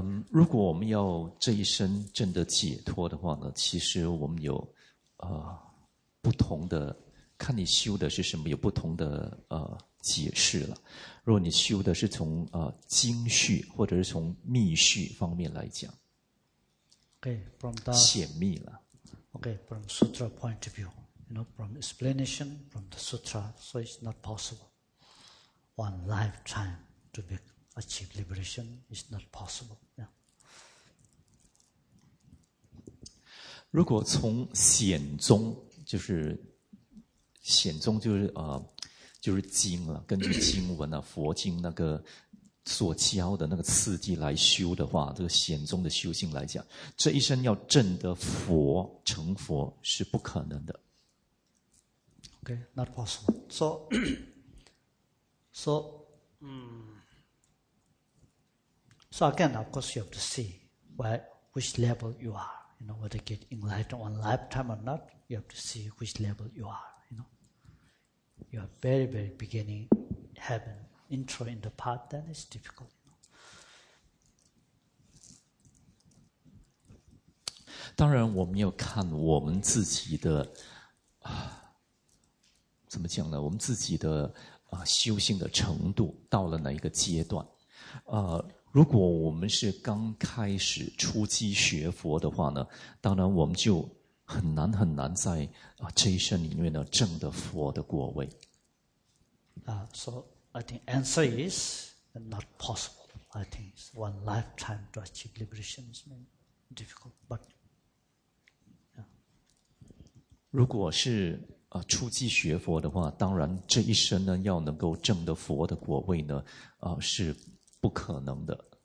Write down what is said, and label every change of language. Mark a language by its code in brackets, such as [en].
[zh] 如果我们要这一生真的解脱的话呢，其实我们有不同的，看你修的是什么，有不同的解释了。如果你修的是从经序或者是从密序方面来讲 [en] ，Okay, from the [zh] 显密了。 [en] Okay, from sutra point of view, you know, from explanation from the sutra, so it's not possible one lifetime to be. Achieve liberation is not possible. Yeah. [zh] 如果从显宗，就是显宗就是就是经了，根据经文啊，佛经那个所教的那个次第来修的话，这个显宗的修行来讲，这一生要证得佛成佛是不可能的。 [en] Okay, not possible. So again, of course, you have to see which level you are. You know, whether you get enlightened one lifetime or not, you have to see which level you are. You know, you are very, very beginning, have an intro in the path, then it's difficult. You know? [zh] 当然，我们要看我们自己的怎么讲呢？我们自己的修行的程度到了哪一个阶段？如果我们是刚开始初期学佛的话呢，当然我们就很难很难在这一生里面呢证得佛的果位。 [en] So I think answer is not possible. I think one lifetime to achieve liberation is difficult. But、 [zh] 如果是初期学佛的话，当然这一生呢要能够证得佛的果位呢，是不可能的。